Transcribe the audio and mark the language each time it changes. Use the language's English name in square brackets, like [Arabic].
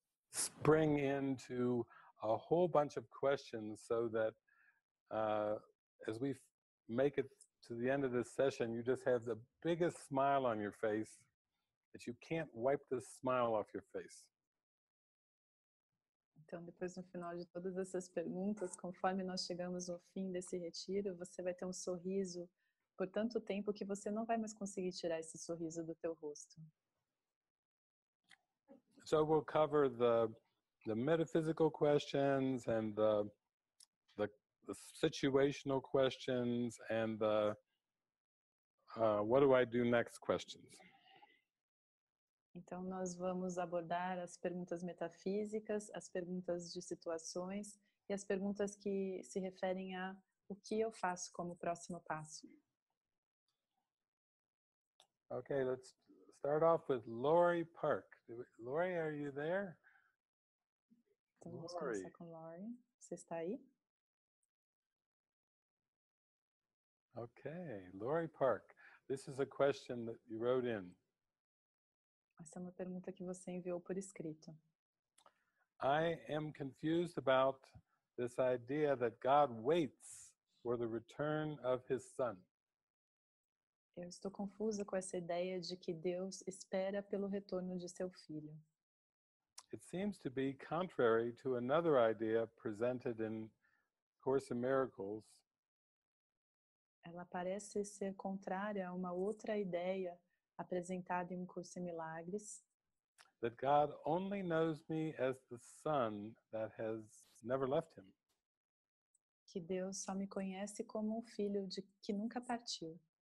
[English] Spring into a whole bunch of questions so that as we make it to the end of this session, you just have the biggest smile on your face that you can't wipe the smile off your face. [Portuguese] Então, depois, no final de todas essas perguntas, conforme nós chegamos ao fim desse retiro, você vai ter um sorriso por tanto tempo que você não vai mais conseguir tirar esse sorriso do teu rosto. [English] So we'll cover the metaphysical questions and the situational questions and the what do I do next questions. [Portuguese] Então nós vamos abordar as perguntas metafísicas, as perguntas de situações e as perguntas que se referem a o que eu faço como próximo passo. [English] Okay, let's start off with Lori Park. Lori, are you there? [Portuguese] Então, vamos começar com Lori. Você está aí? [English] Okay, Lori Park. This is a question that you wrote in. [Portuguese] Essa é uma pergunta que você enviou por escrito. [English] I am confused about this idea that God waits for the return of his son. [Portuguese] Eu estou confusa com essa ideia de que Deus espera pelo retorno de seu filho. [English] It seems to be contrary to another idea presented in Course in Miracles. [Portuguese] Ela parece ser contrária a uma outra ideia apresentada em Curso em Milagres. [English] That God only knows me as the son that has never left him. [Portuguese] Que Deus só me conhece como um filho de que nunca partiu.